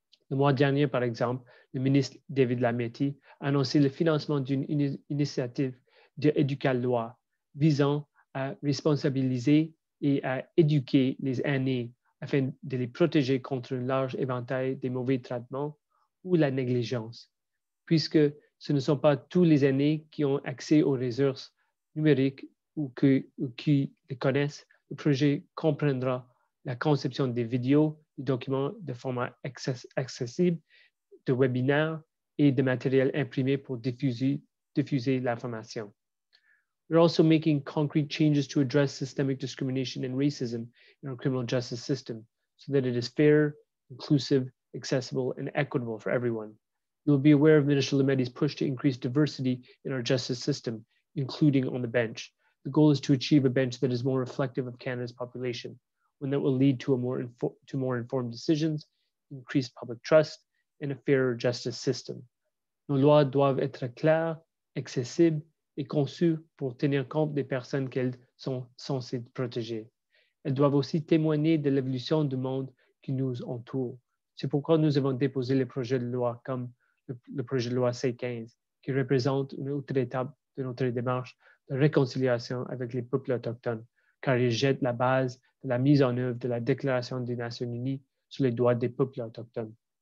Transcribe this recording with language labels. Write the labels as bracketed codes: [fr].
[fr] Le mois dernier, par exemple, le ministre David Lametti a annoncé le financement d'une initiative de Éducaloi visant à responsabiliser et à éduquer les aînés afin de les protéger contre un large éventail des mauvais traitements ou la négligence, puisque ce ne sont pas tous les aînés qui ont accès aux ressources numériques ou qui les connaissent. Le projet comprendra la conception des vidéos, des documents de format accessible, de webinaires et de matériel imprimé pour diffuser l'information. [en] We're also making concrete changes to address systemic discrimination and racism in our criminal justice system so that it is fair, inclusive, accessible, and equitable for everyone. You will be aware of Minister Lametti's push to increase diversity in our justice system, including on the bench. The goal is to achieve a bench that is more reflective of Canada's population, one that will lead to more informed decisions, increased public trust, and a fairer justice system. [fr] Nos lois doivent être claires, accessibles, et conçues pour tenir compte des personnes qu'elles sont censées protéger. Elles doivent aussi témoigner de l'évolution du monde qui nous entoure. C'est pourquoi nous avons déposé le projet de loi comme le projet de loi C-15, qui représente une autre étape de notre démarche de réconciliation avec les peuples autochtones, car il jette la base de la mise en œuvre de la Déclaration des Nations Unies sur les droits des peuples autochtones.